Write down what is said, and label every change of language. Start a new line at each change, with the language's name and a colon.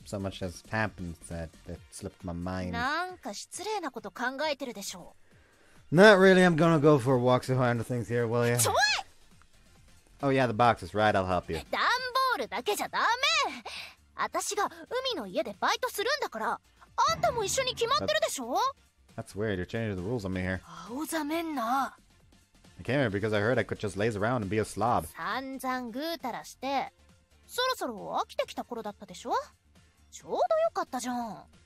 English: So much has happened that it slipped my mind.
Japanese: なんか失礼なこと考えてるでしょう。
English: Not really, I'm gonna go for a walk so find the things here, will ya?
Japanese: ちょい
English: Oh yeah, the boxes, right, I'll help you.
Japanese: ダンボールだけじゃダメ私が海の家でバイトするんだから、あんたも一緒に決まってるでしょ
English: That's weird, you're changing the rules on me here.
Japanese: 青ざめんな。
English: I came here because I heard I could just laze around and be a slob.
Japanese: 散々ぐーたらして、そろそろ飽きてきた頃だったでしょちょうどよかったじゃん。